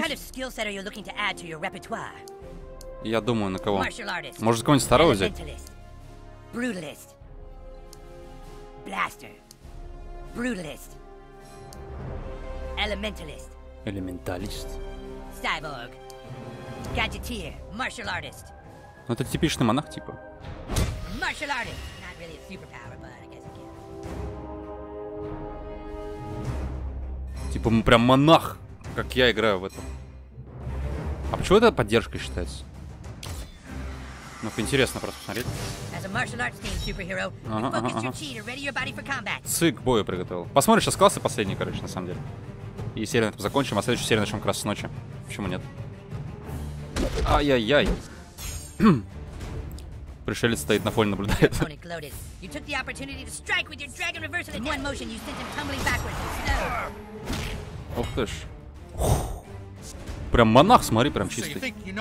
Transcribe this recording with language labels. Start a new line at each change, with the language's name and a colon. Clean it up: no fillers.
English: So what kind of skill set are you looking to add to your repertoire?
Russian: Я думаю, на кого. Может, кого-нибудь старого взять?
English: Brutalist. Blaster. Brutalist. Elementalist.
Russian: Элементалист.
English: Cyborg. Gadgeteer. Martial artist.
Russian: Ну, это типичный монах, типа.
English: Martial artist. Not really a superpower, but I guess I can.
Russian: Типа, мы прям монах, как я играю в этом. А почему это поддержкой считается? Ну, интересно просто посмотреть.
English: As a martial arts team superhero, focus your chi and ready your body for combat.
Russian: Цик, бою приготовил. Посмотрим, сейчас классы последние, короче, на самом деле. И серию на этом закончим, а следующую серию начнем как раз с ночи. Почему нет? Ай-яй-яй. Пришелец стоит на фоне, наблюдает.
English: You took the opportunity to strike with your dragon reversal in one motion, you sent him tumbling backwards.
Russian: Ух ты ж. Прям монах, смотри, прям чистый.